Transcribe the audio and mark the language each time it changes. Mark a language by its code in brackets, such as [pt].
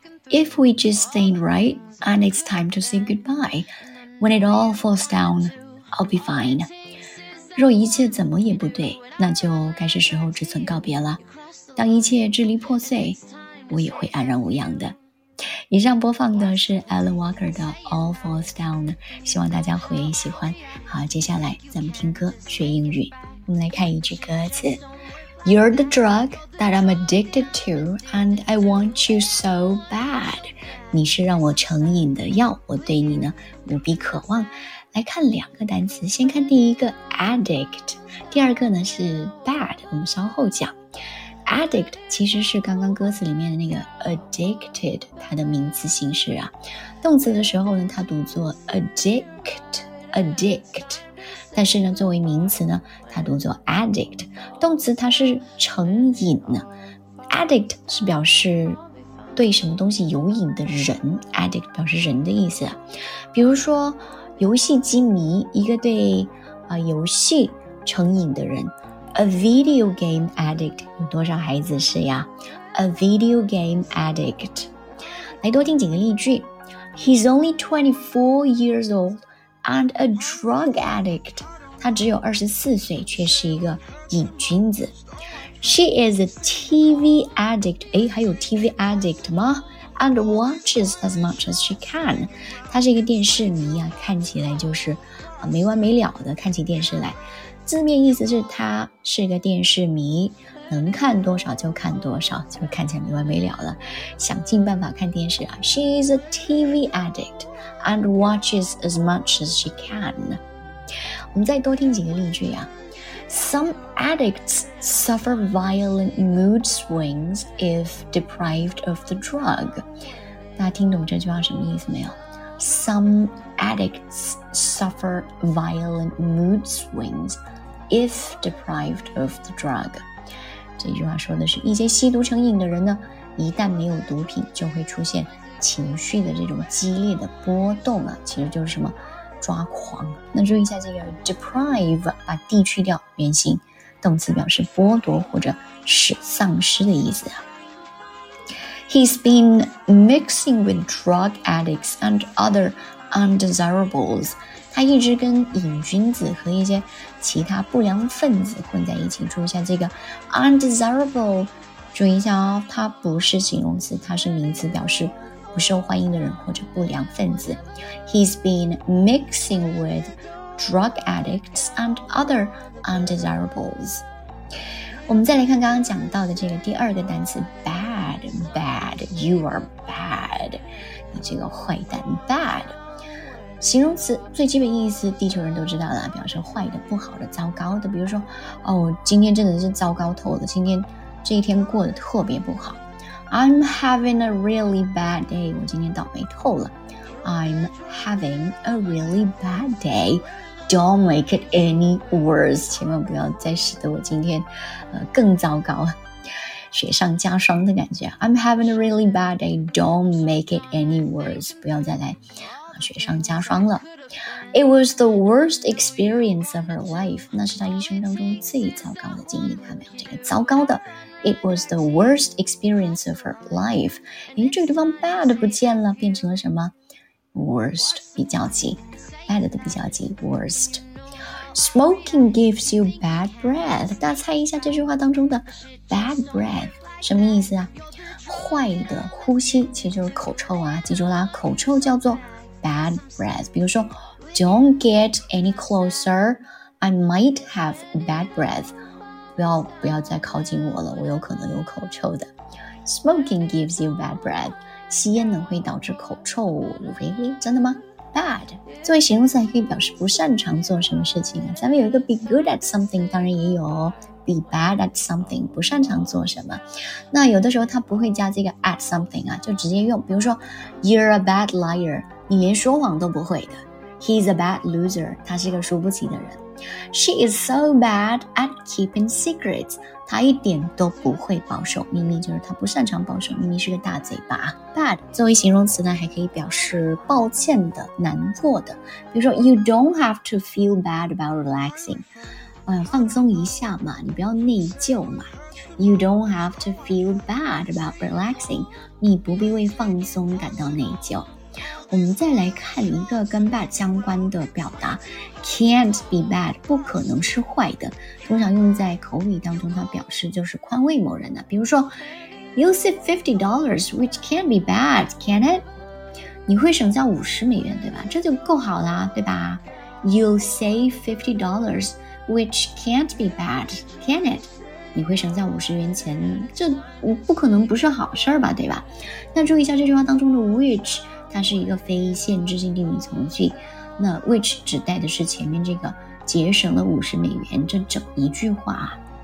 [en] If we just stay right, and it's time to say goodbye. When it all falls down, I'll be fine. [zh] 若一切怎么也不对，那就该是时候只存告别了。当一切支离破碎，我也会安然无恙的。以上播放的是 Alan Walker 的 All Falls Down， 希望大家会喜欢。好，接下来咱们听歌学英语。我们来看一句歌词。 [en] You're the drug that I'm addicted to, and I want you so bad. [zh] 你是让我成瘾的药，我对你呢无比渴望。来看两个单词，先看第一个 addict， 第二个呢是 bad， 我们稍后讲。 Addict 其实是刚刚歌词里面的那个 addicted， 它的名词形式啊。动词的时候呢，它读作 addict。但是呢，作为名词呢，它读作 addict， 动词它是成瘾呢。 addict 是表示对什么东西有瘾的人， addict 表示人的意思。比如说游戏机迷，一个对、游戏成瘾的人， [en] a video game addict， [zh] 有多少孩子是呀？ a video game addict，来多听几个例句。 [en] He's only 24 years old and a drug addict. [zh] 他只有24岁却是一个瘾君子。 [en] She is a TV addict. [zh] 诶，还有 [en] TV addict [zh] 吗？ [en] And watches as much as she can. [zh] 她是一个电视迷啊，看起来就是、啊、没完没了的看起电视来。字面意思是她是个电视迷，能看多少就看多少，就看起来没完没了了，想尽办法看电视啊。 [en] She is a TV addict and watches as much as she can. [zh] 我们再多听几个例句啊。 [en] Some addicts suffer violent mood swings if deprived of the drug. [zh] 大家听懂这句话什么意思没有？ [en] Some addicts suffer violent mood swings if deprived of the drug. [zh] 这句话说的是一些吸毒成瘾的人呢，一旦没有毒品就会出现情绪的这种激烈的波动啊，其实就是什么？抓狂。那注意一下这个 deprive， 把 d 去掉，原形动词表示剥夺或者使丧失的意思。 [en] He's been mixing with drug addicts and other undesirables. [zh] 他一直跟瘾君子和一些其他不良分子混在一起。注意一下这个 undesirable， 注意一下哦，它不是形容词，它是名词，表示不受欢迎的人或者不良分子。 [en] He's been mixing with drug addicts and other undesirables. [zh] 我们再来看刚刚讲到的这个第二个单词 bad, bad, [en] you are bad, [zh] 你这个坏蛋 bad, 形容词最基本意思地球人都知道了，表示坏的、不好的、糟糕的，比如说哦，今天真的是糟糕透了，今天这一天过得特别不好。 [en] I'm having a really bad day. [zh] 我今天倒霉透了。 [en] I'm having a really bad day. Don't make it any worse. [zh] 千万不要再使得我今天、更糟糕了。雪上加霜的感觉。 [en] I'm having a really bad day. Don't make it any worse. [zh] 不要再来、雪上加霜了。 [en] It was the worst experience of her life. [zh] 那是她一生当中最糟糕的经历。看没有这个糟糕的。 [en] It was the worst experience of her life. [zh] 诶，这个地方 bad 不见了，变成了什么？Worst 比较级， bad 的比较级， worst. [en] Smoking gives you bad breath. [zh] 大家猜一下这句话当中的 bad breath 什么意思啊？坏的呼吸，其实就是口臭啊。记住啦，口臭叫做 bad breath. 比如说 [en] ，Don't get any closer. I might have bad breath. [zh] 不要再靠近我了，我有可能有口臭的。 [en] Smoking gives you bad breath. [zh] 吸烟呢会导致口臭。 [en] Really? [zh] 真的吗？Bad. 作为形容词还可以表示不擅长做什么事情。咱们有一个 [en] be good at something, [zh] 当然也有 [en] be bad at something, [zh] 不擅长做什么。那有的时候它不会加这个 at something 啊，就直接用。比如说 [en] You're a bad liar. [zh] 你连说谎都不会的。 [en] He's a bad loser. [zh] 他是一个输不起的人。 [en] She is so bad at keeping secrets. [zh] 她一点都不会保守秘密，就是她不擅长保守秘密，是个大嘴巴。 Bad 作为形容词呢，还可以表示抱歉的、难过的。比如说 [en] ，You don't have to feel bad about relaxing. [zh] 放松一下嘛，你不要内疚嘛。 [en] You don't have to feel bad about relaxing. [zh] 你不必为放松感到内疚。我们再来看一个跟 bad 相关的表达 [en] can't be bad， [zh] 不可能是坏的，通常用在口语当中，它表示就是宽慰某人的。 [en] 比如说 You'll save $50 which can't be bad, can it? [zh] 你会省下50美元对吧，这就够好啦对吧。 [en] You'll save $50 which can't be bad, can it? [zh] 你会省下50元钱，这不可能不是好事吧对吧。那注意一下这句话当中的 which， 它是一个非限制性定语从句，那 which 指代的是前面这个节省了50美元这整一句话。